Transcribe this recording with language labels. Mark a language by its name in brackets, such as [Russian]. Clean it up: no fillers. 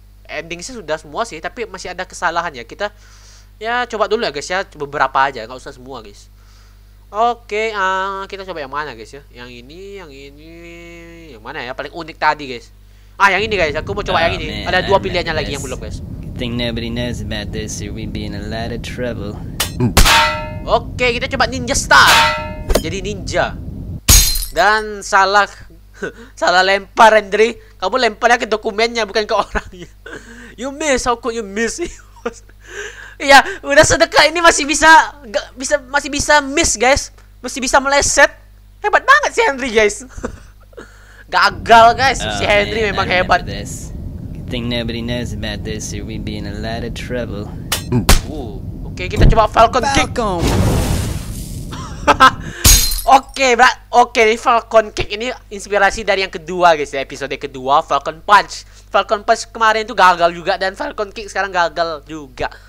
[Indonesian] Endingnya sudah semua sih, tapi masih ada kesalahan ya. Kita ya coba dulu ya guys ya, beberapa aja, nggak usah semua guys. Oke, kita coba yang mana guys ya? Yang ini, yang ini. Yang mana ya? Paling unik tadi guys. Ah, yang ini guys. Aku mau coba yang ini. Ada dua pilihannya lagi yang belum guys. [English] Good thing nobody knows about this or we'd be in a lot of trouble. [Indonesian] Oke, kita coba Ninja Star. Jadi ninja. Dan salah salah lempar Rendri. Kamu lemparnya ke dokumennya bukan ke orangnya. [English] You miss, how could you miss? [Indonesian] Iya, udah sedekat ini masih bisa gak, bisa masih bisa miss guys. Masih bisa meleset. Hebat banget si Henry guys. Gagal guys, si Henry [English] man, [Indonesian] memang [English] I [Indonesian] hebat. [English] This. Good thing nobody knows about this or we'd be in a lot of trouble. [Indonesian] Oke, kita coba Falcon, Falcon. [English] Kick. [Indonesian] Oke, okay, okay, ini Falcon Kick ini inspirasi dari yang kedua guys ya, episode kedua Falcon Punch. Falcon Punch kemarin itu gagal juga dan Falcon Kick sekarang gagal juga.